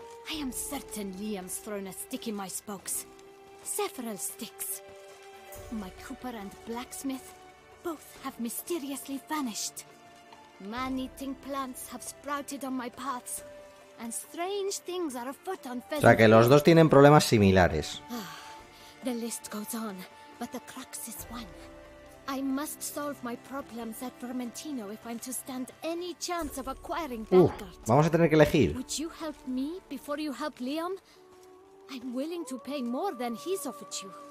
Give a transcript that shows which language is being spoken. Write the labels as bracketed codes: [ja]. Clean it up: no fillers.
[en] I am certain Liam's thrown a stick in my spokes. Several sticks. My cooper and blacksmith both have mysteriously vanished. Man-eating plants have sprouted on my paths, and strange things are afoot on Feather. [es] O sea que los dos tienen problemas similares. [en] The list goes on, but the crux is one. I must solve my problems at Vermentino if I'm to stand any chance of acquiring Belgard. [es] Vamos a tener que elegir. [en] Would you help me before you help Liam? I'm willing to pay more than he's offered you.